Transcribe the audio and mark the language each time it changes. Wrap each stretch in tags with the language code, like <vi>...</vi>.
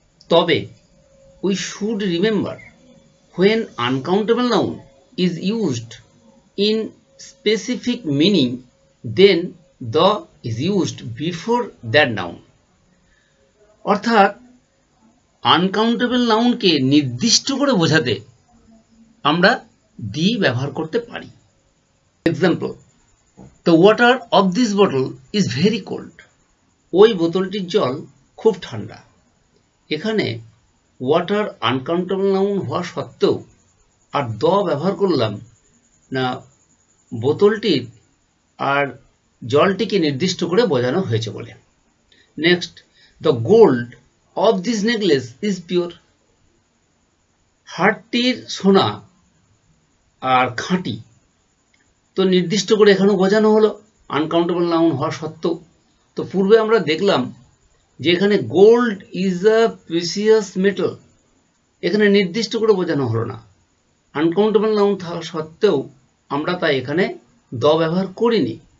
<en>তবে we should remember when uncountable noun is used in specific meaning then the is used before that noun,</en> <bn>অর্থাৎ uncountable নাউনকে নির্দিষ্ট করে বোঝাতে আমরা দি ব্যবহার করতে পারি।</bn> <en>Example, The water of this bottle is very cold.</en> <bn>ওই বোতলটির জল খুব ঠান্ডা। এখানে water uncountable noun হওয়া সত্ত্বেও আর the ব্যবহার করলাম না বোতলটির আর জলটিকে নির্দিষ্ট করে বোঝানো হয়েছে বলে।</bn> <en>Next, the gold of this necklace is pure.</en> <bn>হারটির সোনা আর খাঁটি তো নির্দিষ্ট করে এখানে বোঝানো হলো আনকাউন্টেবল নাউন হওয়া সত্ত্বেও। তো পূর্বে আমরা দেখলাম যে এখানে gold is a precious metal, এখানে নির্দিষ্ট করে বোঝানো হলো না, আনকাউন্টেবল নাউন থাকা সত্ত্বেও আমরা তাই এখানে দ ব্যবহার করিনি।</bn>